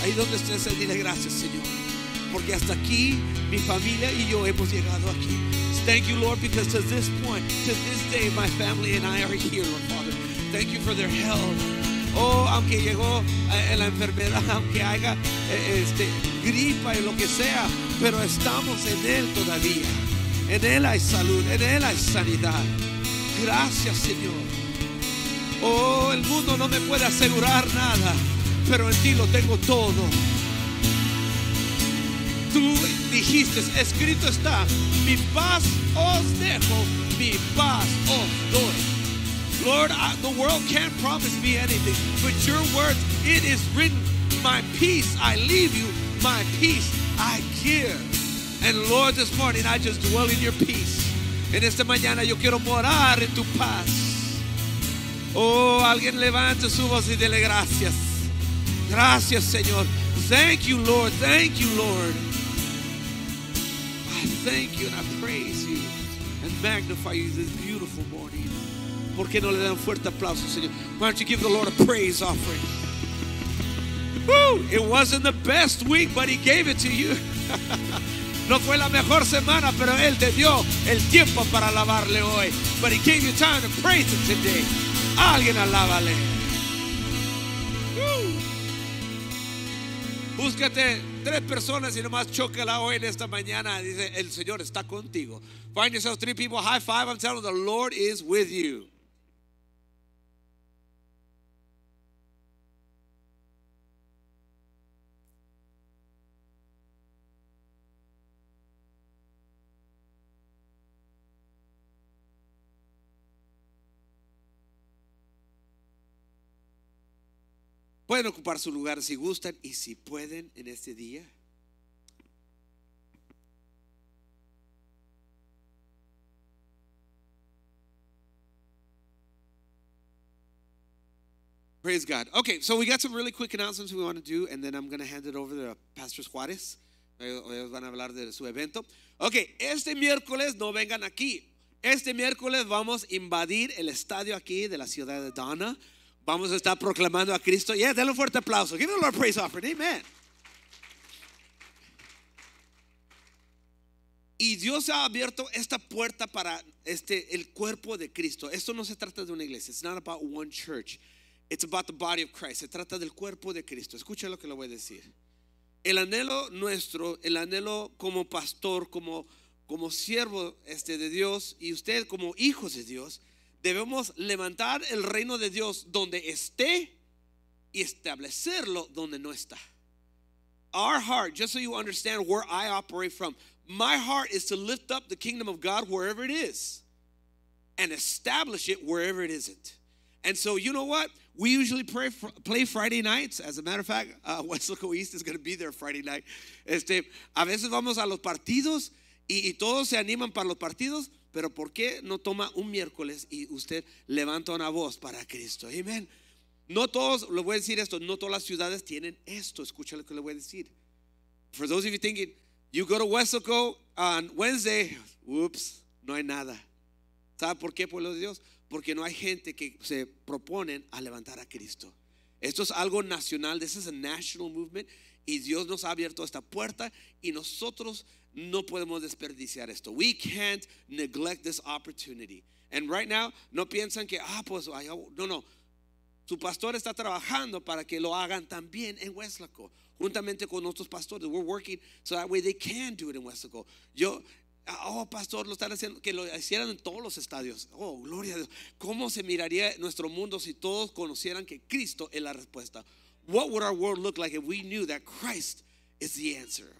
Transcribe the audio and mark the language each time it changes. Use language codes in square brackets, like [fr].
[es] Ahí donde estés, dile gracias, Señor, porque hasta aquí mi familia y yo hemos llegado aquí. [en] Thank you, Lord, because to this point, to this day, my family and I are here, Lord Father. Thank you for their help. [es] Oh, aunque llegó la enfermedad, aunque haya gripa y lo que sea, pero estamos en Él todavía. En Él hay salud, en Él hay sanidad. Gracias, Señor. Oh, el mundo no me puede asegurar nada, pero en ti lo tengo todo. Tú dijiste, escrito está: mi paz os dejo, mi paz os doy. [en] Lord, the world can't promise me anything, but your words, it is written: my peace I leave you, my peace I give. And Lord, this morning I just dwell in your peace. [es] En esta mañana yo quiero morar en tu paz. Oh, alguien levante su voz y dele gracias. Gracias, Señor. [en] Thank you, Lord. Thank you, Lord. I thank you and I praise you and magnify you this beautiful morning. [es] ¿Por qué no le dan fuerte aplauso, Señor? [en] Why don't you give the Lord a praise offering? Woo! It wasn't the best week, but He gave it to you. [es] No fue la mejor semana, pero Él te dio el tiempo para alabarle hoy. [en] But He gave you time to praise Him today. [es] Alguien alábale. Búscate tres personas y nomás chócala hoy en esta mañana. Dice: el Señor está contigo. [en] Find yourself three people, high five. I'm telling you, the Lord is with you. [es] Pueden ocupar su lugar si gustan y si pueden en este día. [en] Praise God. Okay, so we got some really quick announcements we want to do, and then I'm going to hand it over to Pastor Juarez. [es] Ellos van a hablar de su evento. Okay, este miércoles no vengan aquí. Este miércoles vamos a invadir el estadio aquí de la ciudad de Donna. Vamos a estar proclamando a Cristo. Yeah, denle un fuerte aplauso. [en] Give the Lord praise offering. [es] Amen. Y Dios ha abierto esta puerta para el cuerpo de Cristo. Esto no se trata de una iglesia. [en] It's not about one church. It's about the body of Christ. [es] Se trata del cuerpo de Cristo. Escucha lo que le voy a decir. El anhelo nuestro, el anhelo como pastor, como siervo de Dios y usted como hijos de Dios, debemos levantar el reino de Dios donde esté y establecerlo donde no está. [en] Our heart, just so you understand where I operate from, my heart is to lift up the kingdom of God wherever it is and establish it wherever it isn't. And so you know what? We usually play Friday nights. As a matter of fact, Huatzilco East is going to be there Friday night. [es] A veces vamos a los partidos y todos se animan para los partidos, pero ¿por qué no toma un miércoles y usted levanta una voz para Cristo? Amen. No todos, le voy a decir esto, no todas las ciudades tienen esto. Escucha lo que le voy a decir. [en] For those of you thinking, you go to Huatzilco on Wednesday, whoops, [es] no hay nada. ¿Sabe por qué, pueblo de Dios? Porque no hay gente que se proponen a levantar a Cristo. Esto es algo nacional. [en] This is a national movement. [es] Y Dios nos ha abierto esta puerta. Y nosotros no podemos desperdiciar esto. [en] We can't neglect this opportunity. And right now, [es] no piensan que, pues, no, no. Su pastor está trabajando para que lo hagan también en Huatzilco. Juntamente con otros pastores. [en] We're working so that way they can do it in Huatzilco. [es] Pastor, lo están haciendo, que lo hicieran en todos los estadios. Oh, gloria a Dios. ¿Cómo se miraría nuestro mundo si todos conocieran que Cristo es la respuesta? [en] What would our world look like if we knew that Christ is the answer?